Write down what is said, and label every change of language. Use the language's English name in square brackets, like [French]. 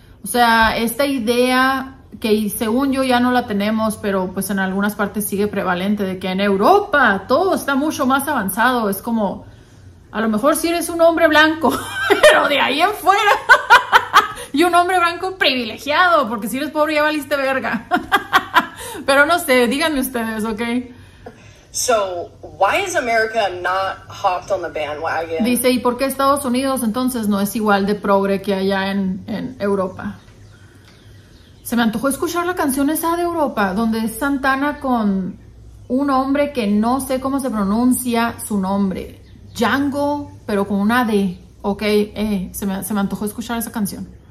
[Spanish] O sea, esta idea que según yo ya no la tenemos, pero pues en algunas partes sigue prevalente, de que en Europa todo está mucho más avanzado. Es como, a lo mejor sí eres un hombre blanco, pero de ahí en fuera. Y un hombre blanco privilegiado, porque si eres pobre ya valiste verga. Pero no sé, díganme ustedes, ¿ok? [English] So, why is America not hopped on the bandwagon? [Spanish] Dice, ¿y por qué Estados Unidos entonces no es igual de progre que allá en Europa? Se me antojó escuchar la canción esa de Europa, donde es Santana con un hombre que no sé cómo se pronuncia su nombre. Django, pero con una D. Ok, se me antojó escuchar esa canción.